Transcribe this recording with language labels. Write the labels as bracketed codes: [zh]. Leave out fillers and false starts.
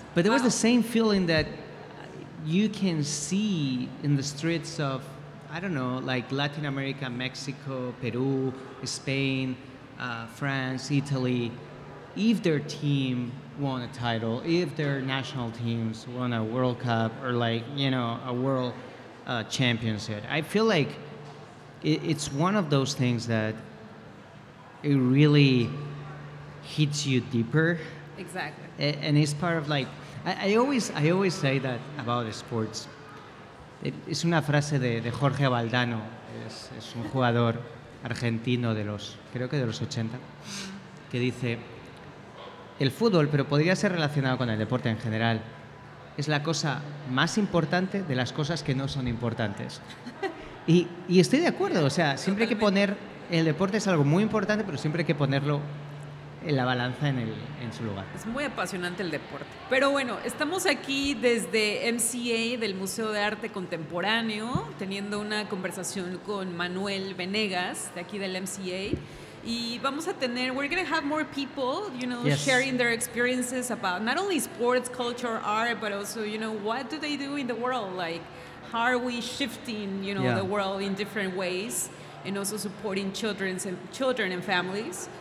[en] But there was the same feeling that you can see in the streets of, I don't know, like Latin America, Mexico, Peru, Spain, France, Italy, if their team won a title, if their national teams won a World Cup or like, you know, a world championship. I feel like it's one of those things that it really hits you deeper. Exactly. And it's part of like, I always say that about sports. [es] Es una frase de Jorge Valdano, es un jugador argentino de los, creo que de los 80, que dice: el fútbol, pero podría ser relacionado con el deporte en general, es la cosa más importante de las cosas que no son importantes. Y estoy de acuerdo, o sea, siempre hay que poner, el deporte es algo muy importante, pero siempre hay que ponerlo en la balanza en su lugar. Es muy apasionante el deporte. Pero bueno, estamos aquí desde MCA, del Museo de Arte Contemporáneo, teniendo una conversación con Manuel Venegas, de aquí del MCA. Y vamos a tener, [en] we're going to have more people, you know, yes, sharing their experiences about not only sports, culture, art, but also, you know, what do they do in the world? Like, how are we shifting, you know, yeah, the world in different ways, and also supporting children and families.